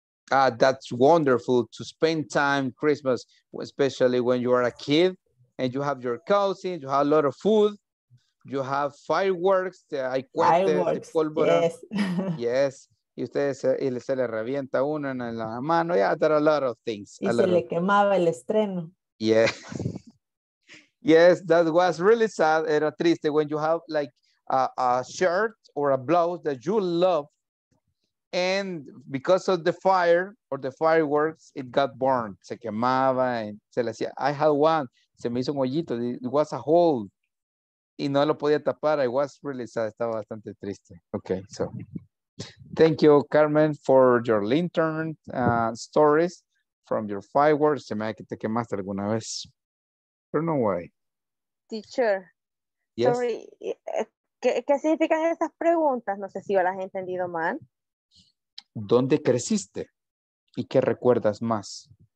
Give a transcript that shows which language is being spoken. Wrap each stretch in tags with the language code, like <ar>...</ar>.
<en>That's wonderful to spend time Christmas, especially when you are a kid and you have your cousins, you have a lot of food, you have fireworks, fireworks, yes. Yes.</en> <es>Y ustedes y se le revienta uno en la mano.</es> <en>Yeah, there are a lot of things.</en> <es>Y se le quemaba el estreno.</es> <en>Yeah. Yes, that was really sad.</en> <es>Era triste</es> <en>when you have like a shirt or a blouse that you love. And because of the fire or the fireworks, it got burned.</en> <es>Se quemaba and se le hacía.</es> <en>I had one.</en> <es>Se me hizo un hoyito.</es> <en>It was a hole.</en> <es>Y no lo podía tapar.</es> <en>I was really sad.</en> <es>Estaba bastante triste. Okay, so.</es> <en>Thank you, Carmen, for your lantern stories from your fireworks.</en> <es>Se me ha que te quemaste alguna vez. Pero</es> <en>no way. Teacher. Yes.</en> <es>Sorry. ¿Qué significan esas preguntas? No sé si yo las he entendido mal. ¿Dónde creciste? ¿Y qué recuerdas más?</es>